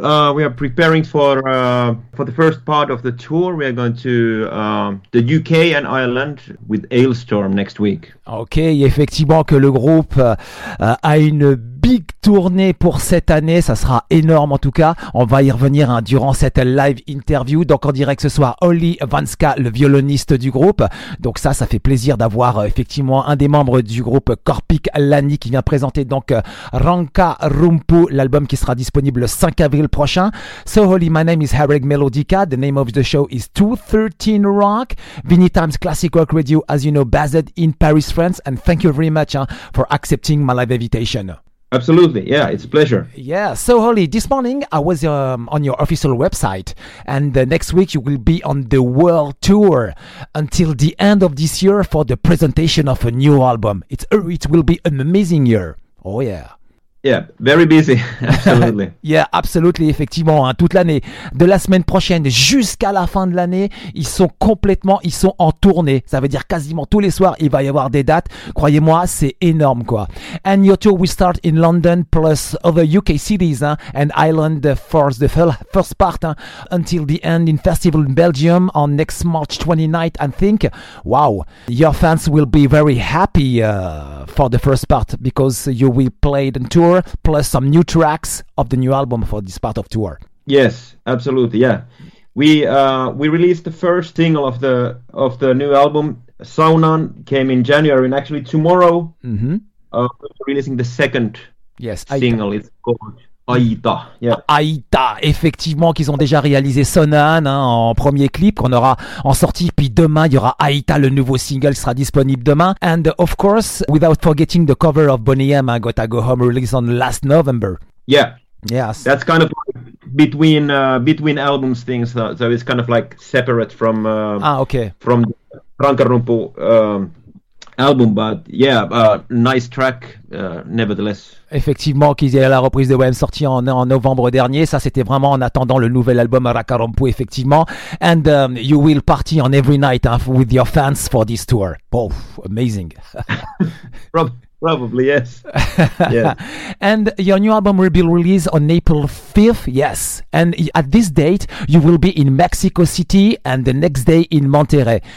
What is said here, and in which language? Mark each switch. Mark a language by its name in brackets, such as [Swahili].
[English] We are preparing for the first part of the tour. We are going to the UK and Ireland with Aylstorm next week. [French] Ok, effectivement que le groupe a une big tournée pour cette année, ça sera énorme en tout cas. On va y revenir hein, durant cette live interview. Donc en direct ce soir, Olli Vanska, le violoniste du groupe. Donc ça fait plaisir d'avoir effectivement un des membres du groupe Karpik Lani qui vient présenter donc Ranka Rumpu, l'album qui sera disponible le 5 avril prochain. [English] So Olli, my name is Harry Melodica. The name of the show is 213 Rock. Vinny Times Classic Rock Radio, as you know, based in Paris, France. And thank you very much for accepting my live invitation. Absolutely, yeah, it's a pleasure. Yeah, so Holly, this morning I was on your official website, and next week you will be on the world tour until the end of this year for the presentation of a new album. It will be an amazing year. Oh yeah. Yeah, very busy, absolutely. Yeah, absolutely, [French] effectivement, hein, toute l'année. De la semaine prochaine jusqu'à la fin de l'année, ils sont en tournée. Ça veut dire quasiment tous les soirs, il va y avoir des dates. Croyez-moi, c'est énorme, quoi. [English] And your tour will start in London plus other UK cities hein, and Ireland for the first part hein, until the end in festival in Belgium on next March 29th, I think. Wow, your fans will be very happy for the first part because you will play the tour. Plus some new tracks of the new album for this part of tour. Yes, absolutely. Yeah, we released the first single of the new album. Saunan came in January, and actually tomorrow we're releasing the second single. It's called Aïta. Yeah. [French] Aïta, effectivement, qu'ils ont déjà réalisé Sonan hein, en premier clip qu'on aura en sortie. Puis demain, il y aura Aïta, le nouveau single sera disponible demain. [English] And of course, without forgetting the cover of Boney M, Gotta Go Home, released on last November. Yeah. Yes. That's kind of like between albums things. So it's kind of like separate from from Ranka Rumpu album, but yeah, nice track nevertheless. [French] Effectivement, qu'il y a la reprise de WM sortie en novembre dernier. Ça, c'était vraiment en attendant le nouvel album Ranka Rumpu, effectivement. [English] And you will party on every night with your fans for this tour. Oh, amazing. Probably, yes. Yeah. And your new album will be released on April 5th, yes. And at this date, you will be in Mexico City and the next day in Monterrey.